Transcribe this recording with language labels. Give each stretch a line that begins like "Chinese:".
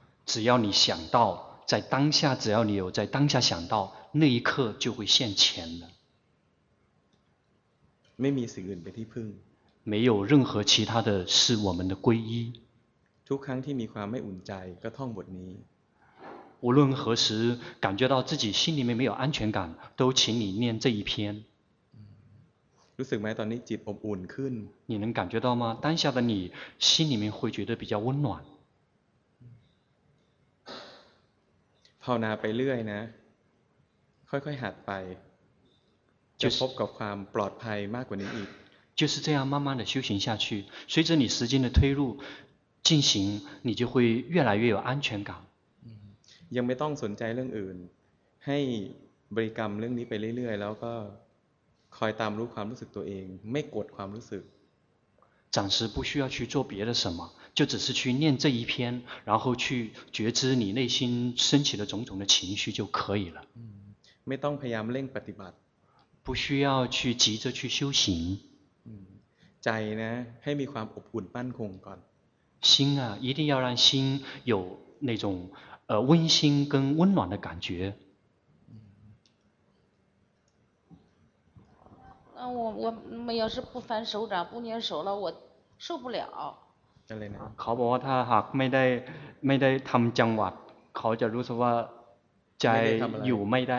Chinese: 只要你想到在当下，只要你有在当下想到，那一刻就会现前了。
Thai: ไม่มีสิ่งอื่นเป็นที่พึ่ง
Chinese: 没有任何其他的是我们的皈依。
Thai: ทุกครั้งที่มีความไม่อุ่นใจก็ท่องบทนี้
Chinese: 无论何时感觉到自己心里面没有安全感，都请你念这一篇。
Thai: รู้สึกไหมตอนนี้จิตอบอุ่นขึ้น
Chinese: 你能感觉到吗？当下的你心里面会觉得比较温暖。
Thai: ภาวนาไปเรื่อยนะค่อยๆหัดไป
Chinese: 就是、
Thai: จะพบกับความปลอดภัยมากกว่านี้อีก
Chinese: 就是这样慢慢的修行下去，随着你时间的推入进行，你就会越来越有安全感。
Thai: ยังไม่ต้องสนใจเรื่องอื่นให้บริกรรมเรื่องนี้ไปเรื่อยๆแล้วก็คอยตามรู้ความรู้สึกตัวเองไม่กดความรู้สึก
Chinese: 暂时不需要去做别的什么，就只是去念这一篇，然后去觉知你内心升起的种种的情绪就可以了。
Thai: ไม่ต้องพยายามเร่งปฏิบัติ
Chinese: 不需要去急着去修行
Thai: ใจนะให้มีความอบอุ่นมั่นคงก่อน
Chinese: 心啊一定要让心有那种温馨跟温暖的感觉那我没有是不翻手掌不捏手了我受不了
Thai: อะไรนะ เขาบอกว่าถ้าหากไม่ได้ทำจังหวะเขาจะรู้สึกว่าใจอยู่ไม่ได